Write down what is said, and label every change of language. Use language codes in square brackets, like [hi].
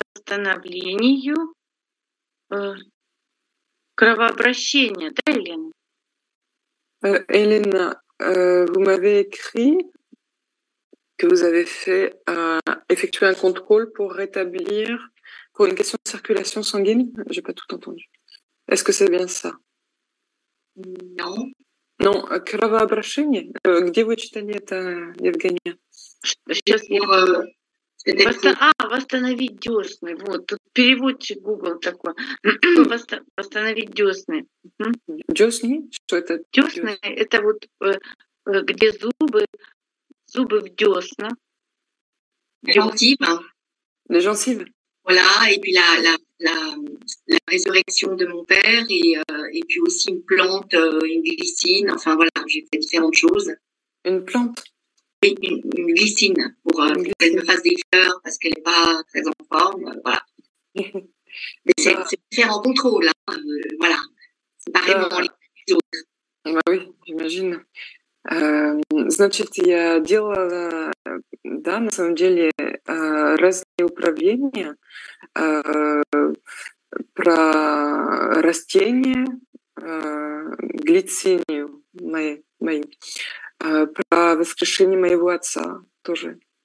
[ru] восстановлению кровообращения, да, Елена? [fr] Елена, vous m'avez écrit que vous avez fait effectuer un contrôle pour rétablir pour une question de circulation sanguine. J'ai pas tout entendu. Est-ce que c'est bien ça? Non. Non, кровообращение. [ru] Где вы читали это, Евгения? Сейчас я... восстановить дёсны. Вот, тут переводчик Google такой. восстановить дёсны. Дёсны? Что это? Дёсны – это вот где зубы, зубы в дёсна. [fr] Gencive. La gencive. Voilà, et puis la, la, la, la résurrection de mon père, et puis aussi une plante, une glycine, enfin voilà, j'ai fait différentes choses. Une plante? Oui, une glycine, pour qu'elle me fasse des fleurs, parce qu'elle n'est pas très en forme, voilà. Mais c'est différent contrôle, hein, voilà, c'est pas vraiment les autres. Bah oui, j'imagine. [ru] Значит, я делала, да, на самом деле, разные упражнения про растения, глицинию мои, про воскрешение моего отца тоже.